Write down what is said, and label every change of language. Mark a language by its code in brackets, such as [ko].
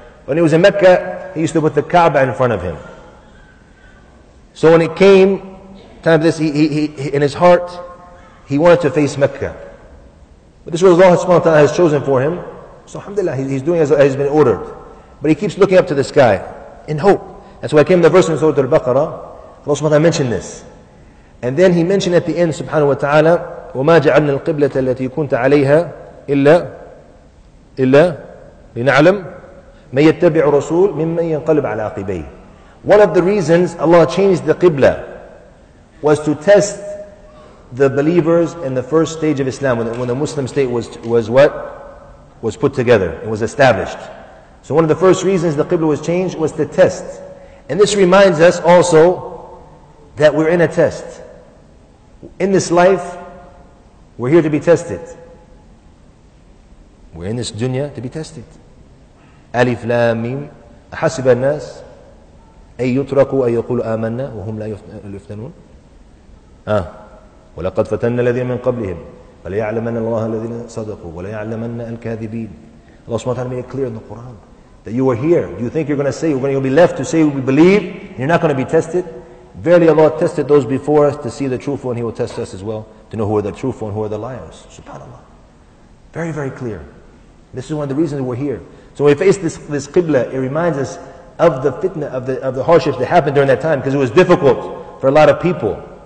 [en] When he was in Mecca, he used to put the Kaaba in front of him. So when it came time of this, he in his heart, he wanted to face Mecca. But this is what Allah subhanahu wa ta'ala has chosen for him. So alhamdulillah, he's doing as he's been ordered. But he keeps looking up to the sky in hope. That's why I came to the verse in Surah Al-Baqarah. Allah subhanahu wa ta'ala mentioned this. And then he mentioned at the end, subhanahu wa ta'ala, [ar] وَمَا جَعَلْنَا الْقِبْلَةَ الَّتِي كُنْتَ عَلَيْهَا إِلَّا لِنَعْلَمْ مَنْ يَتَّبِعُ الرَّسُولُ مِمَّنْ يَنْقَلِبْ عَلَىٰ عَقِبَيْهِ. [en] One of the reasons Allah changed the Qibla was to test the believers in the first stage of Islam, when the Muslim state was what? Was put together, it was established. So one of the first reasons the Qibla was changed was to test. And this reminds us also that we're in a test. In this life, we're here to be tested. We're in this dunya to be tested. [ar] Alif, Lam, Mim. Ahasiba an-nas أن يتركوا أن يقولوا آمنا وهم لا يفتنون؟ ولقد فتن الذين من قبلهم فليعلمن الله الذين صدقوا وليعلمن الكاذبين. [en] Allah SWT made it clear in the Quran that you are here. Do you think you're going to say, you'll be left to say we believe, and you're not going to be tested? Verily Allah tested those before us to see the truthful, and He will test us as well to know who are the truthful and who are the liars. SubhanAllah. Very, very clear. This is one of the reasons we're here. So when we face this Qibla, it reminds us of the fitna, of the hardships that happened during that time, because it was difficult for a lot of people.